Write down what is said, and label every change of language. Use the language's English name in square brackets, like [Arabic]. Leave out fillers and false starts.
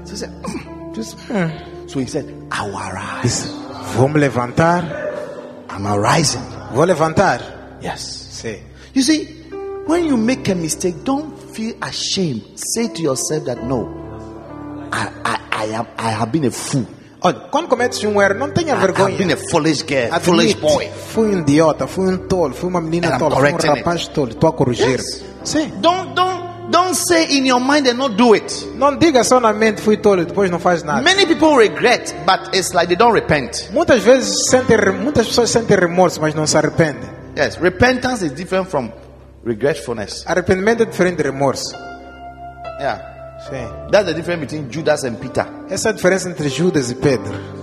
[English] So, So he said, I will arise. [Portuguese] Vou me levantar. [English] I'm arising. [Portuguese] Vou levantar. [English] Yes. Say. You see, when you make a mistake, don't feel ashamed. Say to yourself that no, I have been a fool. [Portuguese] Olha, quando cometes um erro, não tenha vergonha. [English] I've been a foolish girl, a foolish boy. [Portuguese] Fui um idiota, fui um tolo, fui uma menina tola, fui um rapaz tolo. Estou a corrigir. [English] Yes. Say. Don't say in your mind and not do it. [Portuguese] Não diga só na mente fui tolo, depois não faz nada. [English] Many people regret, but it's like they don't repent. [Portuguese] Muitas vezes muitas pessoas sentem remorso, mas não se arrepende. [English] Yes, repentance is different from regretfulness. [Portuguese] Arrependimento é diferente de remorso. [English] Yeah. [Portuguese] Sim. [English] That's the difference between Judas and Peter. [Portuguese] Essa é a diferença entre Judas e Pedro.